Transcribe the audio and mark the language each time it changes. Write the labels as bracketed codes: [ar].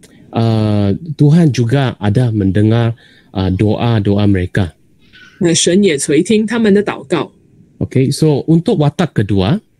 [ms] Tuhan juga ada mendengar doa-doa mereka. [zh] 那神也垂听他们的祷告。 [ms] Okay, so untuk watak kedua,